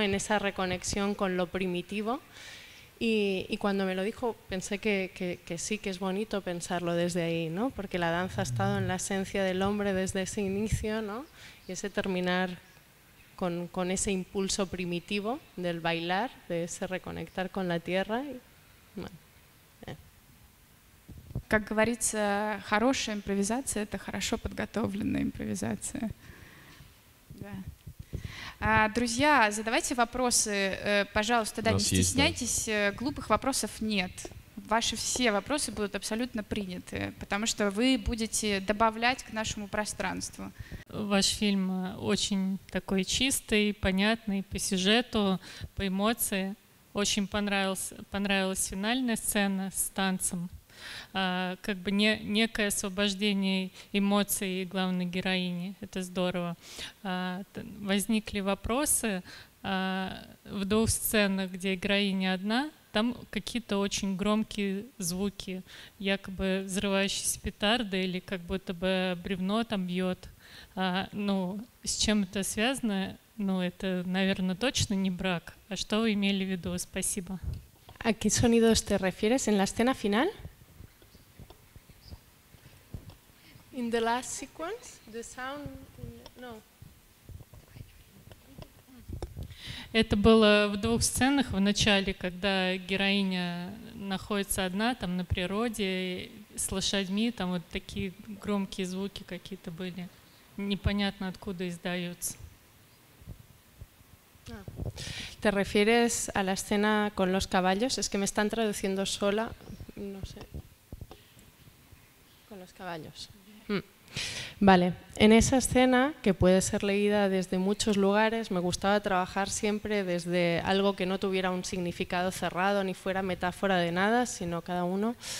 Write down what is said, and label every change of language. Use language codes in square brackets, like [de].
[es] En esa reconexión con lo primitivo. Y cuando me lo dijo, pensé que sí, que es bonito pensarlo desde ahí, ¿no? Porque la danza ha estado en la esencia del hombre desde ese inicio, ¿no? Y ese terminar con ese impulso primitivo del bailar, de ese reconectar con la tierra. Y, bueno. [ru] Как говорится, хорошая импровизация – это хорошо подготовленная импровизация. Да. Друзья, задавайте вопросы, пожалуйста, да, не стесняйтесь, есть, да. Глупых вопросов нет. Ваши все вопросы будут абсолютно приняты, потому что вы будете добавлять к нашему пространству. Ваш фильм очень такой чистый, понятный по сюжету, по эмоции. Очень понравилась финальная сцена с танцем. Как бы некое освобождение эмоций главной героини. Это здорово. Возникли вопросы в двух сценах, где героиня одна, там какие-то очень громкие звуки, якобы взрывающиеся петарды или как будто бы бревно там бьет. Ну, с чем это связано? Ну, это, наверное, точно не брак. А что вы имели в виду? Спасибо. [es] ¿A qué sonidos te refieres en la escena final? [en] In the last sequence, the sound, no. [ru] Это было в двух сценах в начале, когда героиня находится одна там на природе с лошадьми, там вот такие громкие звуки какие-то были, непонятно откуда издаются. [es] ¿Te refieres a la escena con los caballos? Es que me están traduciendo sola, no sé. Con los caballos. Vale, en esa escena, que puede ser leída desde muchos lugares, me gustaba trabajar siempre desde algo que no tuviera un significado cerrado ni fuera metáfora de nada, sino cada uno.